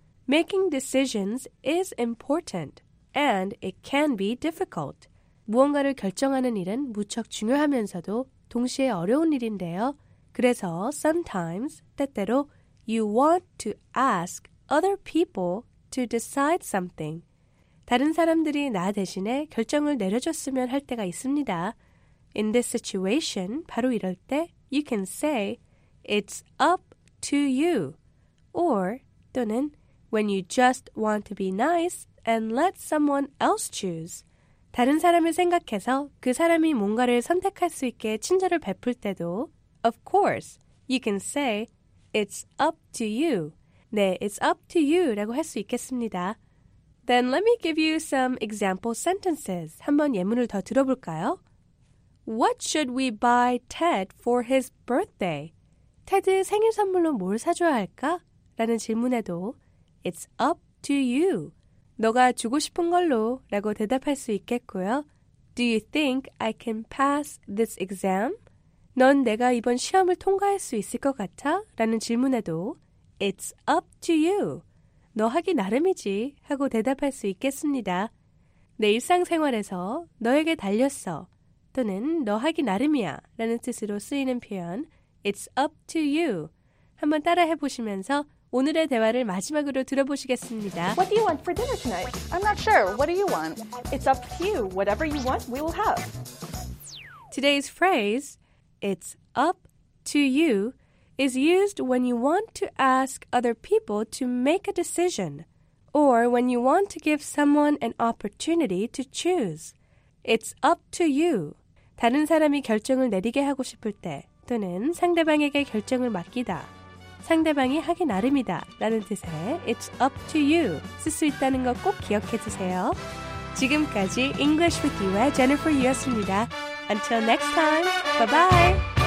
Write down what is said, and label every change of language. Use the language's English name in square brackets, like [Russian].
[English] Making decisions is important and it can be difficult. [Korean] 무언가를 결정하는 일은 무척 중요하면서도 동시에 어려운 일인데요. [English] 그래서 sometimes, 때때로, you want to ask other people to decide something. [Korean] 다른 사람들이 나 대신에 결정을 내려줬으면 할 때가 있습니다. [English] In this situation, [Korean] 바로 이럴 때, [English] you can say, it's up to you. Or, 또는, when you just want to be nice and let someone else choose. [Korean] 다른 사람을 생각해서 그 사람이 뭔가를 선택할 수 있게 친절을 베풀 때도 [English] Of course, you can say, it's up to you. [Korean] 네, it's up to you 라고 할 수 있겠습니다. [English] Then let me give you some example sentences. [Korean] 한번 예문을 더 들어볼까요? [English] What should we buy Ted for his birthday? [Korean] 테드 생일 선물로 뭘 사줘야 할까? 라는 질문에도 [English] It's up to you. [Korean] 너가 주고 싶은 걸로 라고 대답할 수 있겠고요. [English] Do you think I can pass this exam? [Korean] 넌 내가 이번 시험을 통과할 수 있을 것 같아? 라는 질문에도 [English] It's up to you. [Korean] 너 하기 나름이지 하고 대답할 수 있겠습니다. 내 일상생활에서 너에게 달렸어 또는 너 하기 나름이야 라는 뜻으로 쓰이는 표현 It's up to you. 한번 따라해 보시면서 오늘의 대화를 마지막으로 들어보시겠습니다. [English] What do you want for dinner tonight? I'm not sure. What do you want? It's up to you. Whatever you want, we will have. Today's phrase, it's up to you, is used when you want to ask other people to make a decision or when you want to give someone an opportunity to choose. It's up to you. [Korean] 다른 사람이 결정을 내리게 하고 싶을 때 또는 상대방에게 결정을 맡기다. 상대방이 하기 나름이다 라는 뜻의 It's up to you 쓸 수 있다는 거 꼭 기억해 주세요. 지금까지 English with you의 Jennifer Yu였습니다. [English] Until next time, bye-bye!